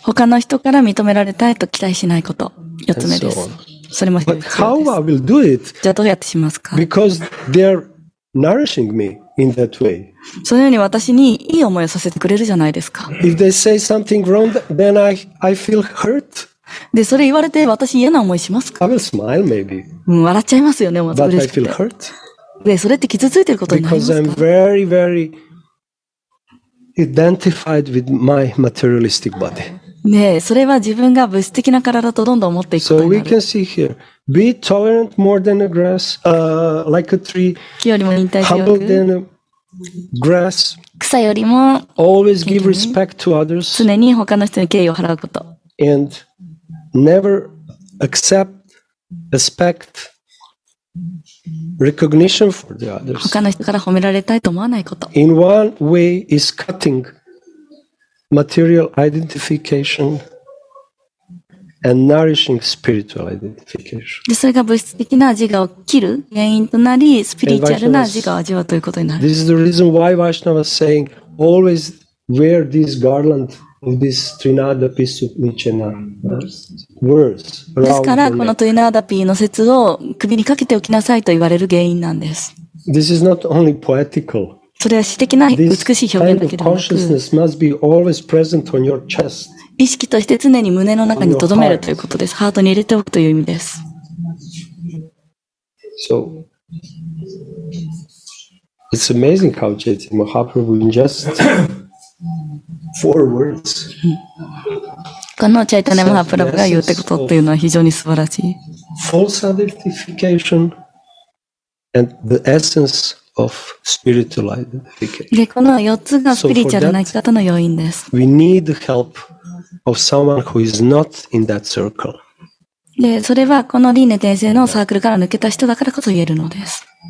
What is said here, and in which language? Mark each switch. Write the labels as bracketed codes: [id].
[ja] 他の人から認められたいと期待しないこと。四つ目です。それも必要です。 [en] But how I will do it? [ja] じゃあどうやってしますか? [en] Because they're nourishing me in that way. [ja] そのように私にいい思いをさせてくれるじゃないですか。 [en] If they say something wrong, then I feel hurt. [ja] で、それ言われて私嫌な思いしますか? [en] I will smile maybe. [ja] 笑っちゃいますよね、私嬉しくて。 [en] But I feel hurt. [ja] で、それって傷ついてることになりますか? [en] Because I'm very, very identified with my materialistic body. [ja] ねえ、それは自分が物質的な体とどんどん思っていくことになる。 [en] So we can see here, be tolerant more than a grass, like a tree. [ja] 木よりも忍耐強く。 [en] Humble than a grass. [ja] 草よりも。 [en] Always give respect to others. [ja] 常に他の人に敬意を払うこと。 [en] And never accept, respect, recognition for the others. [ja] 他の人から褒められたいと思わないこと。 [en] In one way is cutting. Material identification and nourishing spiritual identification. [ja] で、それが物質的な自我を切る原因となり、スピリチュアルな自我を味わうということになる。 [en] This is the reason why Vaishnava was saying, always wear this garland of this Trinada Pisu Michena words. [ja] ですから、このトリナーダピーの説を首にかけておきなさいと言われる原因なんです。 [en] This is not only poetical. [ja] それは詩的な美しい表現だけでなく、 [en] This kind of consciousness must be [ja] 意識として常に胸の中に留めるということです。ハートに入れておくという意味です。 [en] So, It's amazing how Chaitanya Mahaprabhu in just four words. [ja] このチャイタネ・マハプラブが言うてことっていうのは非常に素晴らしい。 [en] False identification and the essence of spiritual identification. [ja] で、この4つがスピリチュアルな生き方の要因です。 [en] We need the help of someone who is not in that circle. [ja] で、それはこの輪廻転生のサークルから抜けた人だからこそ言えるのです。